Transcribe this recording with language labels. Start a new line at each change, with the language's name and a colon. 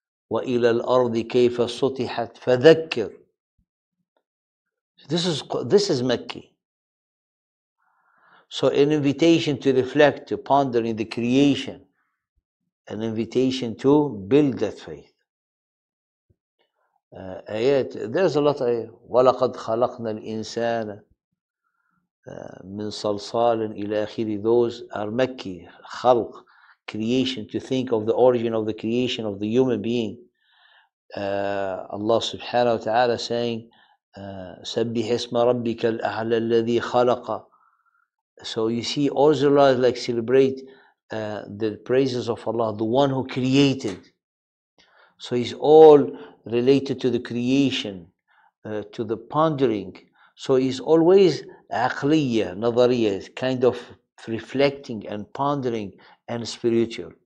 Arabic: وَإِلَى الْأَرْضِ كَيْفَ سُطِحَتْ. فَذَكِّرْ.
English: This is Makki. So an invitation to reflect, to ponder in the creation. An invitation to build that faith. Ayat, there's a lot of ayat.
Arabic: وَلَقَدْ خَلَقْنَا الْإِنسَانَ مِنْ صَلْصَالٍ إِلَى أَخِرِ.
English: Those are Makki, khalq, creation, to think of the origin of the creation of the human being. Allah subhanahu wa ta'ala saying,
Arabic: سَبِّحْ اسْمَ رَبِّكَ الْأَعْلَى الَّذِي خَلَقَ.
English: So you see, Ursula is like celebrate the praises of Allah, the one who created. So it's all related to the creation, to the pondering. So it's always عقلية, نظرية, kind of reflecting and pondering and spiritual.